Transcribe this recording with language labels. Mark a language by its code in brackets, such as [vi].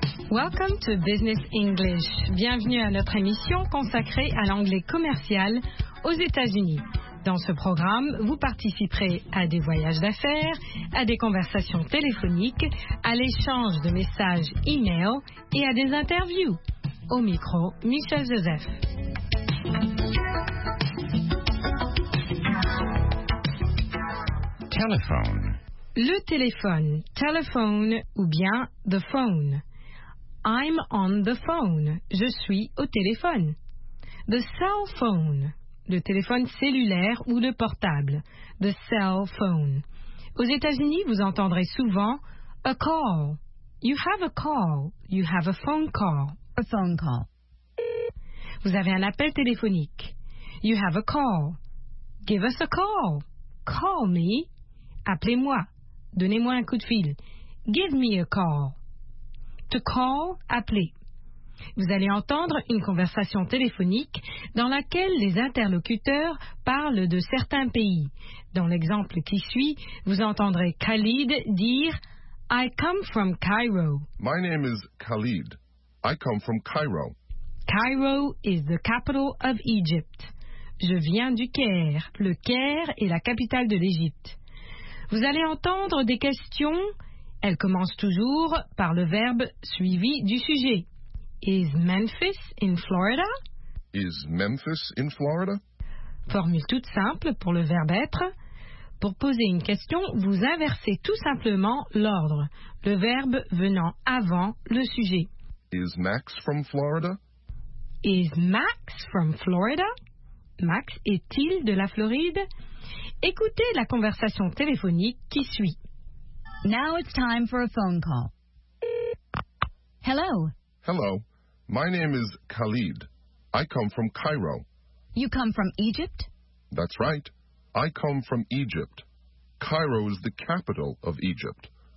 [en] Welcome to Business English. [fr] Bienvenue à notre émission consacrée à l'anglais commercial aux États-Unis. Dans ce programme, vous participerez à des voyages d'affaires, à des conversations téléphoniques, à l'échange de messages e-mail et à des interviews. Au micro, Michel Joseph. [en] Telephone. [fr] Le téléphone, telephone ou bien [en] the phone. I'm on the phone, [fr] je suis au téléphone. [en] The cell phone, [fr] le téléphone cellulaire ou le portable. [en] The cell phone. [fr] Aux États-Unis, vous entendrez souvent [en] a call. You have a call, you have a phone call. A phone call. [fr] Vous avez un appel téléphonique. [en] You have a call. Give us a call. Call me. [fr] Appelez-moi. Donnez-moi un coup de fil. [en] Give me a call. To call, [fr] appeler. Vous allez entendre une conversation téléphonique dans laquelle les interlocuteurs parlent de certains pays. Dans l'exemple qui suit, vous entendrez Khalid dire [en] I come from Cairo. My name is Khalid. I come from Cairo. Cairo is the capital of Egypt. [fr] Je viens du Caire. Le Caire est la capitale de l'Égypte. Vous allez entendre des questions. Elles commencent toujours par le verbe suivi du sujet. [en] Is Memphis in Florida? Is Memphis in Florida? [fr] Formule toute simple pour le verbe être. Pour poser une question, vous inversez tout simplement l'ordre, le verbe venant avant le sujet. [en] Is Max from Florida? Is Max from Florida? [fr] Max est-il de la Floride? Écoutez la conversation téléphonique qui suit. [en] Now it's time for a phone call. Hello. Hello. My name is Khalid. I come from Cairo. You come from Egypt? That's right. I come from Egypt. Cairo is the capital of Egypt.